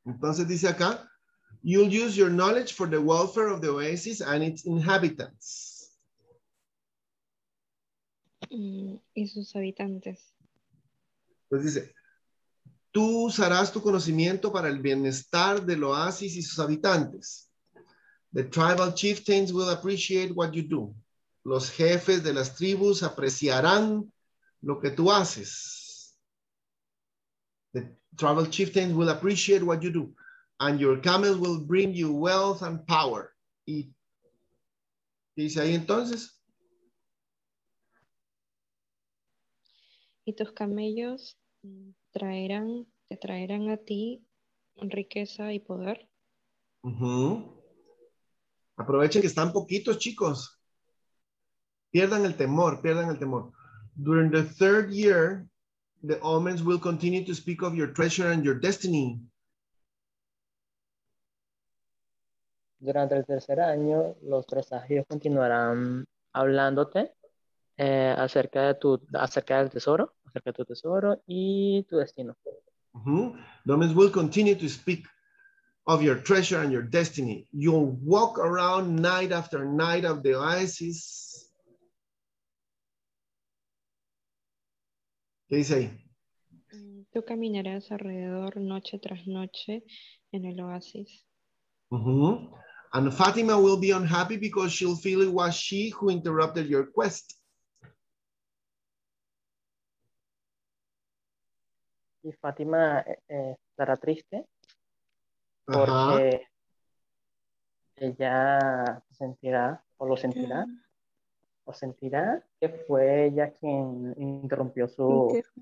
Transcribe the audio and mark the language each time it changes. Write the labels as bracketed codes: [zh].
[es] Entonces dice acá, [en] you'll use your knowledge for the welfare of the oasis and its inhabitants. [es] Y sus habitantes. Entonces dice, tú usarás tu conocimiento para el bienestar del oasis y sus habitantes. [en] The tribal chieftains will appreciate what you do. [es] Los jefes de las tribus apreciarán lo que tú haces. [en] The tribal chieftains will appreciate what you do. And your camels will bring you wealth and power. [es] Y dice ahí entonces. Y tus camellos traerán, te traerán a ti riqueza y poder. Aprovechen que están poquitos, chicos. Pierdan el temor, pierdan el temor. [en] During the third year, the omens will continue to speak of your treasure and your destiny. [es] Durante el tercer año, los presagios continuarán hablándote acerca de tu tesoro y tu destino. [en] The omens will continue to speak of your treasure and your destiny. You'll walk around night after night of the oasis. [es] ¿Qué dice ahí? Tú caminarás alrededor noche tras noche en el oasis. [en] And Fatima will be unhappy because she'll feel it was she who interrupted your quest. [es] Y Fatima estará triste porque ella sentirá o lo sentirá o sentirá que fue ella quien interrumpió su...